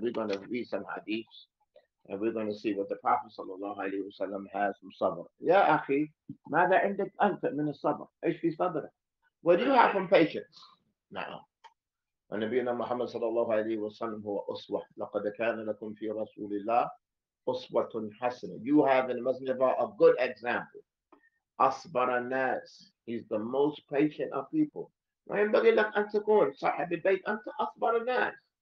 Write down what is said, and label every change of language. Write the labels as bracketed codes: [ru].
[en] We're going to read some hadiths. And we're going to see what the Prophet صلى الله عليه وسلم has from صبر. [ar] يا أخي ماذا عندك أنت من الصبر؟ إيش في صبرك؟ [en] What do you have from patience? [ar] نعم. ونبينا محمد صلى الله عليه وسلم هو أسوة. لقد كان لكم في رسول الله أسوة حسنة. [en] You have in the Messenger a good example. [ar] أصبر الناس. [en] He's the most patient of people. [ar] ما ينبغي لك أن تكون صاحب البيت أنت أصبر الناس.